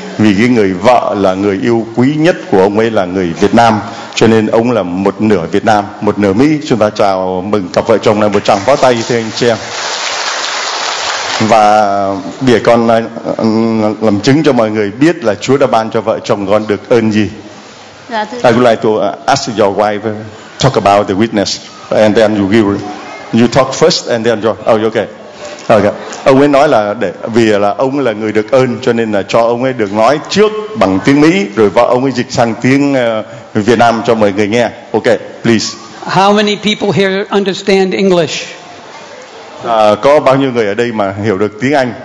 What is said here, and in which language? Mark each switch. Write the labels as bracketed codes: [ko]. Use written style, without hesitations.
[vi] Vì cái người vợ là người yêu quý nhất của ông ấy là người Việt Nam, cho nên ông là một nửa Việt Nam, một nửa Mỹ. Chúng ta chào mừng cặp vợ chồng này, một tràng pháo tay thưa anh chị em. Và để con làm chứng cho mọi người biết là Chúa đã ban cho vợ chồng con được ơn gì. Dạ, [en] I would like to ask your wife talk about the witness and then you talk first and then you... Oh, okay. Okay. [vi] Ông ấy nói là để, vì là ông là người được ơn cho nên là cho ông ấy được nói trước bằng tiếng Mỹ, rồi vợ ông ấy dịch sang tiếng Việt Nam cho mọi người nghe. [en] Ok, please. How many people here understand English? [vi] Có bao nhiêu người ở đây mà hiểu được tiếng Anh?